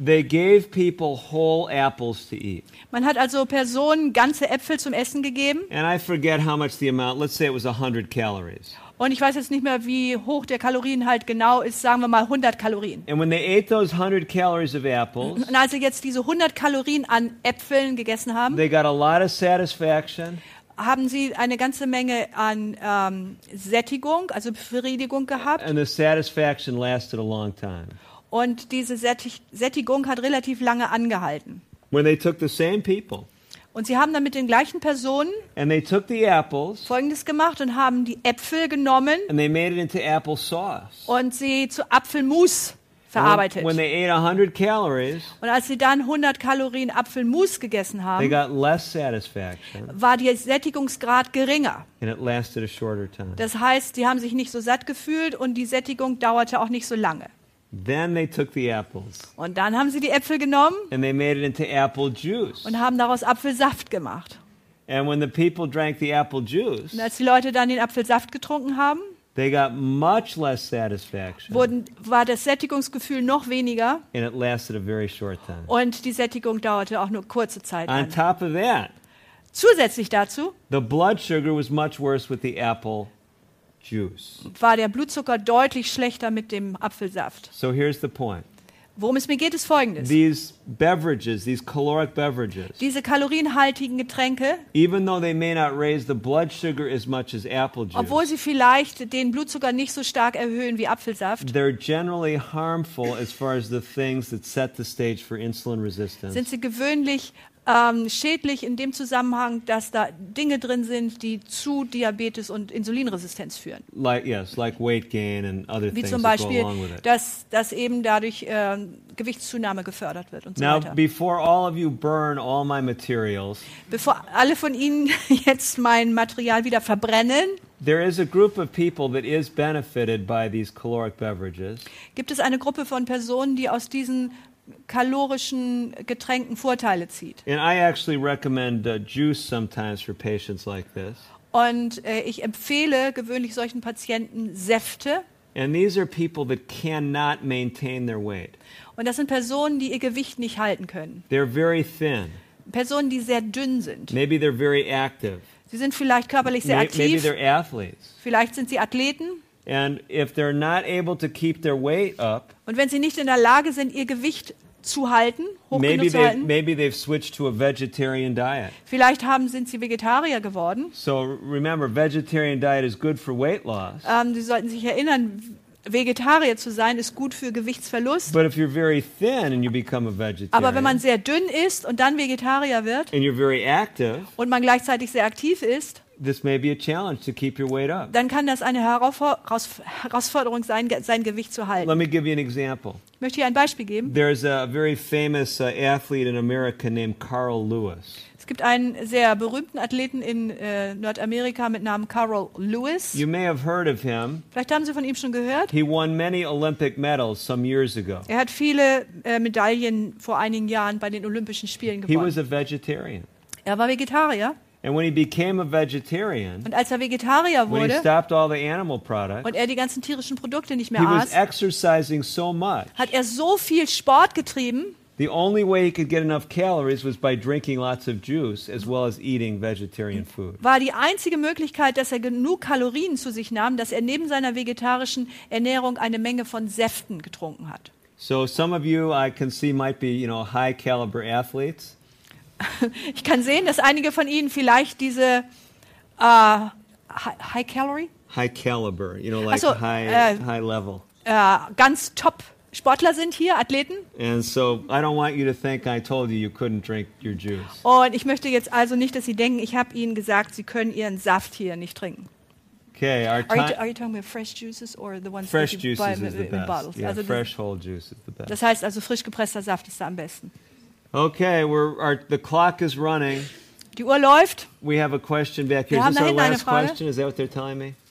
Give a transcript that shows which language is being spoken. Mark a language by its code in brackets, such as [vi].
[en] They gave people whole apples to eat. [de] Man hat also Personen ganze Äpfel zum Essen gegeben. [en] And I forget how much the amount. Let's say it was 100 calories. [de] Und ich weiß jetzt nicht mehr, wie hoch der Kalorienhalt genau ist, sagen wir mal 100 Kalorien. [en] And when they ate those 100 calories of apples, [de] und als sie jetzt diese 100 Kalorien an Äpfeln gegessen haben, [en] they got a lot of satisfaction. [de] Haben Sie eine ganze Menge an Sättigung, also Befriedigung gehabt? [en] And the satisfaction lasted a long time. [de] Und diese Sättigung hat relativ lange angehalten. [en] When they took the same people, [de] und Sie haben dann mit den gleichen Personen [en] and they took the apples, [de] Folgendes gemacht und haben die Äpfel genommen [en] and they made it into apple sauce. [de] Und sie zu Apfelmus verarbeitet. [en] When they ate 100 calories, [de] und als sie dann 100 Kalorien Apfelmus gegessen haben, [en] they got less satisfaction, [de] war der Sättigungsgrad geringer. [en] And it lasted a shorter time. [de] Das heißt, sie haben sich nicht so satt gefühlt und die Sättigung dauerte auch nicht so lange. [en] Then they took the apples, [de] und dann haben sie die Äpfel genommen [en] and they made it into apple juice, [de] und haben daraus Apfelsaft gemacht. [en] And when the people drank the apple juice, [de] und als die Leute dann den Apfelsaft getrunken haben, [en] they got much less satisfaction. [de] War das Sättigungsgefühl noch weniger. [en] And it lasted a very short time. [de] Und die Sättigung dauerte auch nur kurze Zeit. [en] On top of that, [de] zusätzlich dazu, [en] the blood sugar was much worse with the apple juice. [de] War der Blutzucker deutlich schlechter mit dem Apfelsaft. [en] So here's the point. [de] Worum es mir geht, ist Folgendes. [en] These beverages, these caloric beverages, [de] diese kalorienhaltigen Getränke, [en] even though they may not raise the blood sugar as much as apple juice, [de] obwohl sie vielleicht den Blutzucker nicht so stark erhöhen wie Apfelsaft, [en] they're generally harmful as far as the things that set the stage for insulin resistance. [de] Sind sie gewöhnlich schädlich in dem Zusammenhang, dass da Dinge drin sind, die zu Diabetes und Insulinresistenz führen. [en] Like weight gain and other things. [de] Wie zum Beispiel, dass eben dadurch Gewichtszunahme gefördert wird und so [en] now, [de] weiter. [en] Now, before all of you burn all my materials. [de] Bevor alle von Ihnen jetzt mein Material wieder verbrennen. [en] There is a group of people that is benefited by these caloric beverages. [de] Gibt es eine Gruppe von Personen, die aus diesen kalorischen Getränken Vorteile zieht? [en] And I actually recommend juice sometimes for patients like this. [de] Und ich empfehle gewöhnlich solchen Patienten Säfte. [en] And these are people that cannot maintain their weight. [de] Und das sind Personen, die ihr Gewicht nicht halten können. [en] They're very thin. [de] Personen, die sehr dünn sind. [en] Maybe they're very active. [de] Sie sind vielleicht körperlich sehr aktiv. [en] Maybe they're athletes. [de] Vielleicht sind sie Athleten. [en] And if they're not able to keep their weight up, [de] und wenn sie nicht in der Lage sind, ihr Gewicht zu halten, hochgenutzt zu halten. [en] Maybe they've switched to a vegetarian diet. [de] Vielleicht sind sie Vegetarier geworden. [en] So remember, vegetarian diet is good for weight loss. [de] Sie sollten sich erinnern, Vegetarier zu sein ist gut für Gewichtsverlust. [en] But if you're very thin and you become a vegetarian, [de] aber wenn man sehr dünn ist und dann Vegetarier wird [en] and you're very active, [de] und man gleichzeitig sehr aktiv ist, [en] this may be a challenge to keep your weight up. [de] Dann kann das eine Herausforderung sein, sein Gewicht zu halten. [en] Let me give you an example. [de] Ich möchte hier ein Beispiel geben. [en] There's a very famous athlete in America named Carl Lewis. [de] Es gibt einen sehr berühmten Athleten in Nordamerika mit Namen Carl Lewis. [en] You may have heard of him. [de] Vielleicht haben Sie von ihm schon gehört. [en] He won many Olympic medals some years ago. [de] Er hat viele Medaillen vor einigen Jahren bei den Olympischen Spielen gewonnen. [en] He was a vegetarian. [de] Er war Vegetarier. [en] And when he became a vegetarian, [de] und als er Vegetarier wurde, [en] when he stopped all the animal products, [de] und er die ganzen tierischen Produkte nicht mehr aß, [en] he was exercising so much, [de] hat er so viel Sport getrieben. [en] The only way he could get enough calories was by drinking lots of juice as well as eating vegetarian food. [de] War die einzige Möglichkeit, dass er genug Kalorien zu sich nahm, dass er neben seiner vegetarischen Ernährung eine Menge von Säften getrunken hat. [en] So some of you I can see might be, you know, high caliber athletes. [de] Ich kann sehen, dass einige von Ihnen vielleicht diese [en] high calorie? High caliber, you know, like high level. [de] Ganz top Sportler sind hier, Athleten. [en] And so I don't want you to think I told you you couldn't drink your juice. [de] Und ich möchte jetzt also nicht, dass Sie denken, ich habe Ihnen gesagt, Sie können Ihren Saft hier nicht trinken. [en] Okay, are you talking about fresh juices or the ones fresh that you buy in the best. Bottles? Yeah, also fresh whole juice is the best. [de] Das heißt also, frisch gepresster Saft ist da am besten. [en] Okay, the clock is running. [de] Die Uhr läuft. [en] We have a question back here. Is this our last question? Is that what they're telling me?